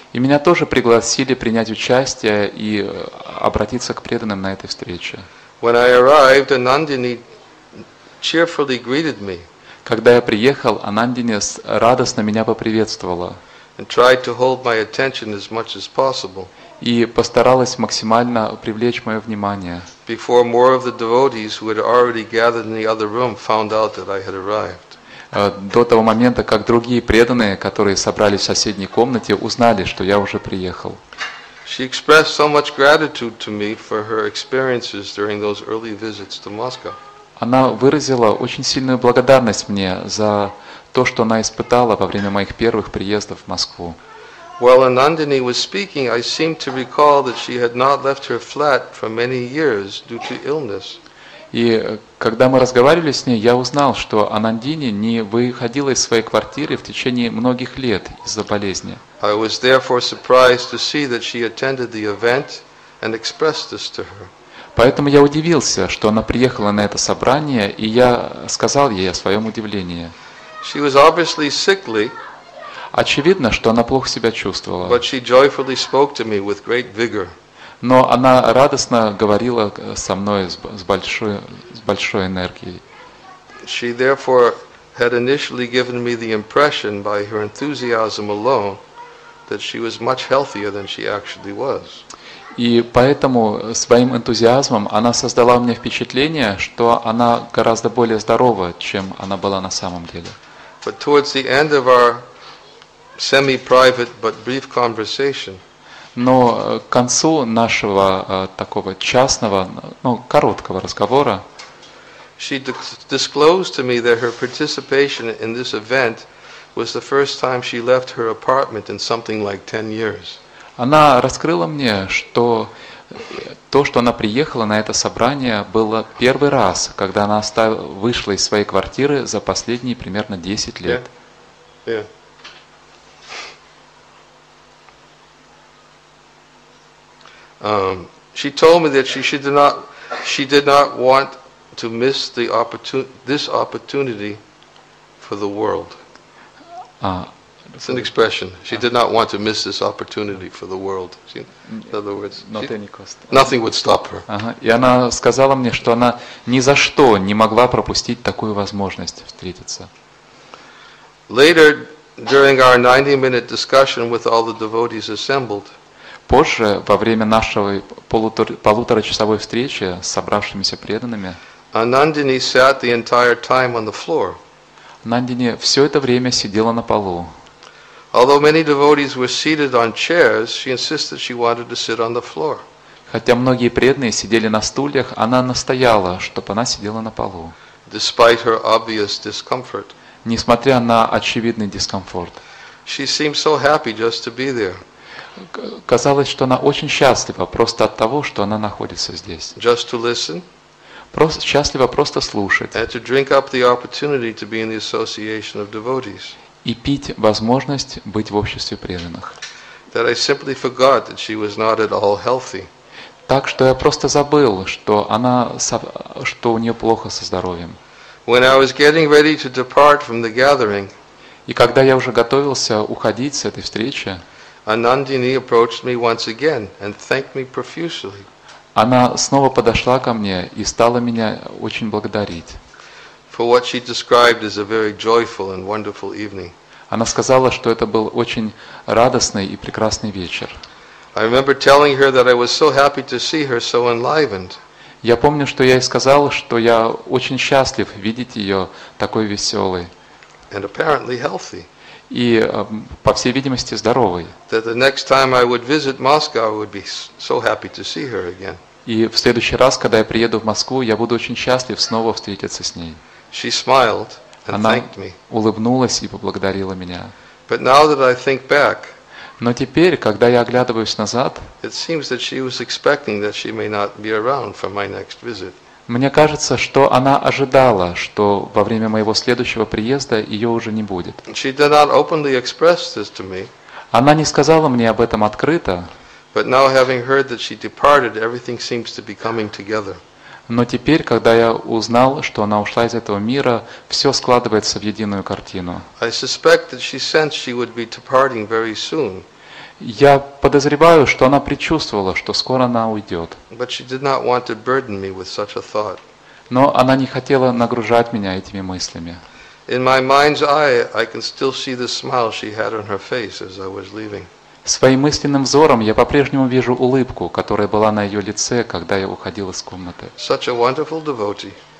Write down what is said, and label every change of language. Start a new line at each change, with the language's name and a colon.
Russian: И меня тоже пригласили принять участие и обратиться к преданным на этой встрече.
English: When I arrived, Anandini cheerfully greeted me.
Russian: Когда я приехал, Анандини радостно меня поприветствовала.
English: And tried to hold my attention as much as possible.
Russian: И постаралась максимально привлечь мое внимание.
English: Before more of the devotees who had already gathered in the other room found out that I had arrived.
Russian: до того момента, как другие преданные, которые собрались в соседней комнате, узнали, что я уже приехал.
English: She expressed so much gratitude to me for her experiences during those early visits to Moscow.
Russian: Она выразила очень сильную благодарность мне за то, что она испытала во время моих первых приездов в Москву.
English: While Anandini was speaking, I seemed to recall that she had not left her flat for many years due to illness.
Russian: И когда мы разговаривали с ней, я узнал, что Анандини не выходила из своей квартиры в течение многих лет из-за болезни.
English: I was therefore surprised to see that she attended the event and expressed this to her.
Russian: Поэтому я удивился, что она приехала на это собрание, и я сказал ей о своем удивлении.
English: She was obviously sickly.
Russian: Очевидно, что она плохо себя чувствовала.
English: But she joyfully spoke to me with great vigor.
Russian: Но она радостно говорила со мной с большой энергией.
English: She therefore had initially given me the impression by her enthusiasm alone that she was much healthier than she actually was.
Russian: И поэтому своим энтузиазмом она создала мне впечатление, что она гораздо более здорова, чем она была на самом деле.
English: But towards the end of our semi-private but brief conversation.
Russian: Но к концу нашего такого частного, ну, короткого разговора,
English: she disclosed to me that her participation in this event was the first time she left her apartment in something like 10 years.
Russian: Она раскрыла мне, что то, что она приехала на это собрание, было первый раз, когда она вышла из своей квартиры за последние примерно 10 лет.
English: Yeah. Yeah. She told me that she did not want to miss this opportunity for the world. It's an expression. She did not want to miss this opportunity for the world. In other words, nothing would stop her.
Russian: И она сказала мне, что она ни за что не могла пропустить такую возможность встретиться.
English: Later, during our 90-minute discussion with all the devotees assembled.
Russian: Позже, во время нашей полуторачасовой встречи с собравшимися преданными,
English: Anandini sat the entire time on the floor.
Russian: Anandini все это время сидела на полу.
English: Although many devotees were seated on chairs, she insisted she wanted to sit on the floor.
Russian: Хотя многие преданные сидели на стульях, она настояла, чтобы она сидела на полу.
English: Despite her obvious discomfort.
Russian: Несмотря на очевидный дискомфорт.
English: She seemed so happy just to be there.
Russian: Казалось, что она очень счастлива просто от того, что она находится здесь.
English: Just to listen.
Russian: Просто счастлива просто слушать.
English: And to drink up the opportunity to be in the association of devotees.
Russian: И пить возможность быть в обществе преданных.
English: That I simply forgot that she was not at all healthy.
Russian: Так что я просто забыл, что у нее плохо со здоровьем.
English: When I was getting ready to depart from the gathering.
Russian: И когда я уже готовился уходить с этой встречи.
English: Anandini approached me once again and thanked me profusely.
Russian: Она снова подошла ко мне и стала меня очень благодарить.
English: For what she described as a very joyful and wonderful evening.
Russian: Она сказала, что это был очень радостный и прекрасный вечер.
English: I remember telling her that I was so happy to see her so enlivened.
Russian: Я помню, что я ей сказал, что я очень счастлив видеть ее такой веселой.
English: And apparently healthy.
Russian: И, по всей видимости, здоровой.
English: That the next time I would visit Moscow, I would be so happy to see her again.
Russian: И в следующий раз, когда я приеду в Москву, я буду очень счастлив снова встретиться с ней.
English: She smiled and
Russian: Она
English: thanked me.
Russian: Улыбнулась и поблагодарила меня.
English: But now that I think back,
Russian: но теперь, когда я оглядываюсь назад,
English: it seems that she was expecting that she may not be around for my next visit.
Russian: Мне кажется, что она ожидала, что во время моего следующего приезда ее уже не будет.
English: She did not openly express this to me.
Russian: Она не сказала мне об этом открыто.
English: But now having heard that she departed, everything seems to be coming together.
Russian: Но теперь, когда я узнал, что она ушла из этого мира, все складывается в единую картину.
English: I suspect that she sensed she would be departing very soon.
Russian: Я подозреваю, что она предчувствовала, что скоро она уйдет.
English: But she did not want to burden me with such a thought.
Russian: Но она не хотела нагружать меня этими мыслями.
English: In my mind's eye, I can still see the smile she had on her face as I was leaving.
Russian: Своим мысленным взором я по-прежнему вижу улыбку, которая была на ее лице, когда я уходил из комнаты.
English: Such a wonderful devotee.